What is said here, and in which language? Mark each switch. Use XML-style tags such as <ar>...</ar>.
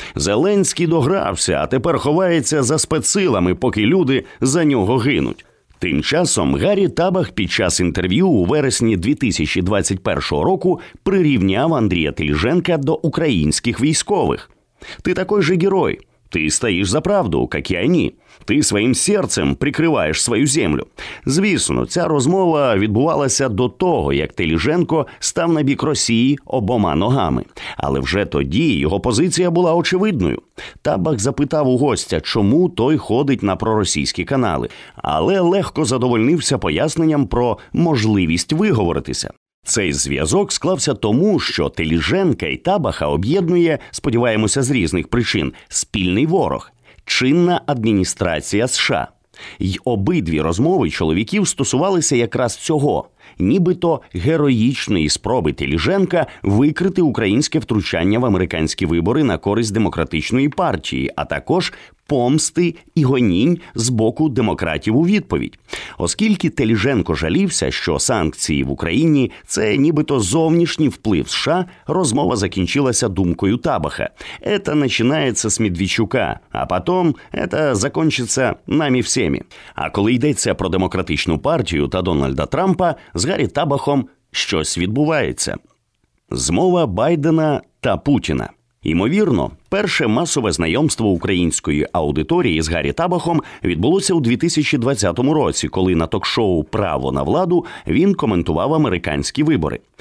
<uk>Зеленський догрався, а тепер ховається за спецсилами, поки люди за нього гинуть. Тим часом Гарі Табах під час інтерв'ю у вересні 2021 року прирівняв Андрія Теліженка до українських військових. «Ти такий же герой.</uk> <ru>Ты стоишь за правду, как и они. Ты своим сердцем прикрываешь свою землю.</ru> <uk>Звісно, ця розмова відбувалася до того, як Теліженко став на бік Росії обома ногами. Але вже тоді його позиція була очевидною. Табах запитав у гостя, чому той ходить на проросійські канали. Але легко задовольнився поясненням про можливість виговоритися. Цей зв'язок склався тому, що Теліженка і Табаха об'єднує, сподіваємося, з різних причин, спільний ворог – чинна адміністрація США. Й обидві розмови чоловіків стосувалися якраз цього – нібито героїчної спроби Теліженка викрити українське втручання в американські вибори на користь демократичної партії, а також – помсти і гонінь з боку демократів у відповідь. Оскільки Теліженко жалівся, що санкції в Україні – це нібито зовнішній вплив США, розмова закінчилася думкою Табаха.</uk> <ru>«Это начинается с Медведчука, а потом это закончится нами всеми».</ru> <uk>А коли йдеться про демократичну партію та Дональда Трампа, з Гаррі Табахом щось відбувається. Змова Байдена та Путіна. Ймовірно, перше масове знайомство української аудиторії з Гаррі Табахом відбулося у 2020 році, коли на ток-шоу «Право на владу» він коментував американські вибори.</uk>